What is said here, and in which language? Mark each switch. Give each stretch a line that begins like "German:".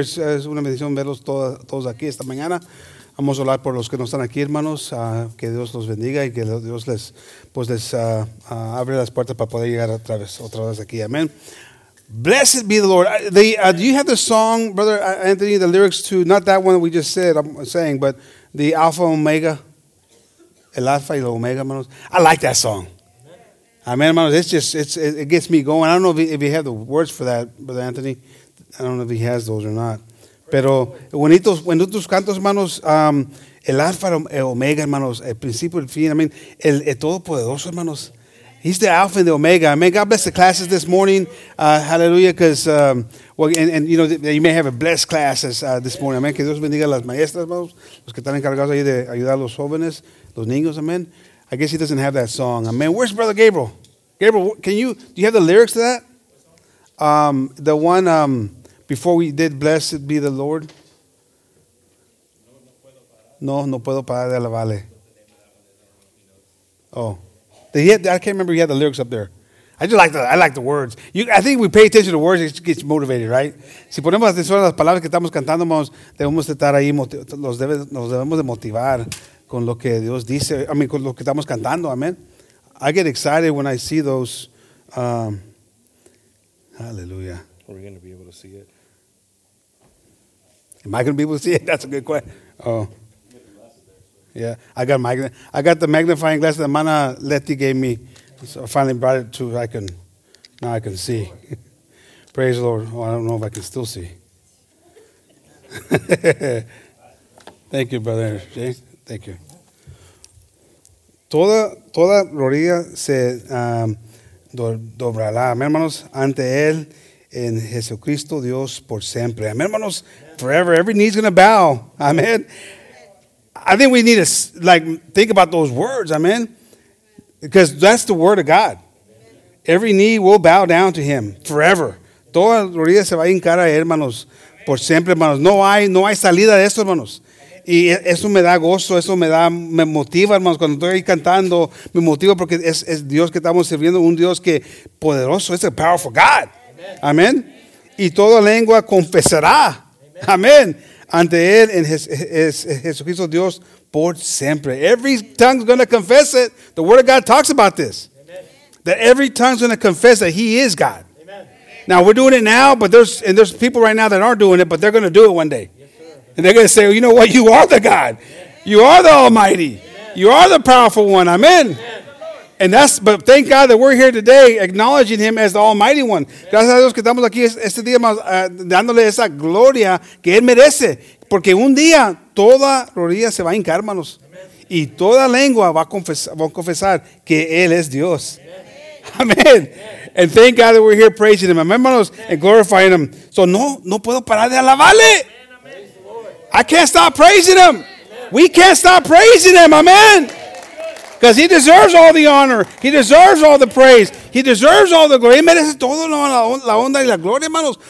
Spanish: Es una bendición verlos todos aquí esta mañana. Vamos a orar por los que no están aquí, hermanos, que Dios los bendiga y que Dios les abre las puertas para poder llegar otra vez aquí.
English: Amen. Blessed be the Lord. Do you have the song, Brother Anthony, the lyrics to, not that one we just said, I'm saying, but the Alpha Omega,
Spanish: el Alpha y el Omega, hermanos.
English: I like that song.
Spanish: Amen, hermanos.
English: It gets me going. I don't know if you have the words for that, Brother Anthony. I don't know if he has those or not.
Spanish: Pero bonitos, bonitos cantos, hermanos, el Alfa, el Omega, hermanos, el principio, el fin,
English: I mean,
Spanish: el Todopoderoso, hermanos.
English: He's the Alpha and the Omega. I mean, God bless the classes this morning. Hallelujah, because, you know, you may have a blessed class this morning.
Spanish: Amen. Que Dios bendiga a las maestras, hermanos, los que están encargados ahí de ayudar a los jóvenes, los niños, amen.
English: I guess he doesn't have that song. Amen. Where's Brother Gabriel? Gabriel, do you have the lyrics to that? The one... Before we did, blessed be the Lord.
Spanish: No puedo parar de alabarle.
English: Oh, I can't remember. He had the lyrics up there. I like the words. I think we pay attention to words; it gets motivated, right?
Spanish: Si ponemos atención a las palabras que estamos cantando, debemos estar ahí. Nos debemos de motivar con lo que Dios dice.
English: I mean,
Spanish: con lo que estamos cantando.
English: Amen. I get excited when I see those. Hallelujah. Are we going to be able to see it? Am I going to be able to see it? That's a good question. Oh. Yeah, I got the magnifying glass that Mana Letty gave me. So I finally brought it to, now I can see. Praise the Lord. Oh, I don't know if I can still see. Thank you, Brother James. Thank you.
Spanish: Toda rodilla se doblará, hermanos, ante él en Jesucristo Dios por siempre.
English: Amen, hermanos. Forever, every knee's gonna bow. Amen. I think we need to like think about those words. Amen. Because that's the word of God. Every knee will bow down to Him forever.
Spanish: Toda rodilla se va a hincar a hermanos por siempre, hermanos. No hay salida de esto, hermanos. Y eso me da gozo. Eso me motiva, hermanos. Cuando estoy ahí cantando, me motiva porque es Dios que estamos sirviendo, un Dios que poderoso.
English: It's a powerful God. Amen.
Spanish: Y toda lengua confesará.
English: Amen.
Spanish: Ante él en Jesucristo Dios por siempre.
English: Every tongue's going to confess it. The word of God talks about this. Amen. That every tongue's going to confess that he is God. Amen. Now we're doing it now, but there's people right now that aren't doing it, but they're going to do it one day. Yes, sir. And they're going to say, well, you know what? You are the God. Amen. You are the Almighty. Amen. You are the powerful one. Amen. Amen. And that's, but thank God that we're here today acknowledging him as the Almighty One.
Spanish: Gracias a Dios que estamos aquí este día dándole esa gloria que él merece. Porque un día toda rodilla se va a hincar, hermanos. Y toda lengua va a confesar que él es Dios. Amen.
English: And thank God that we're here praising him.
Spanish: Amen, hermanos.
English: And glorifying him.
Spanish: So no puedo parar de alabarle.
English: I can't stop praising him. We can't stop praising him. Amen. Because he deserves all the honor. He deserves all the praise. He deserves all the glory.
Spanish: Él merece todo la honra y la gloria, hermanos.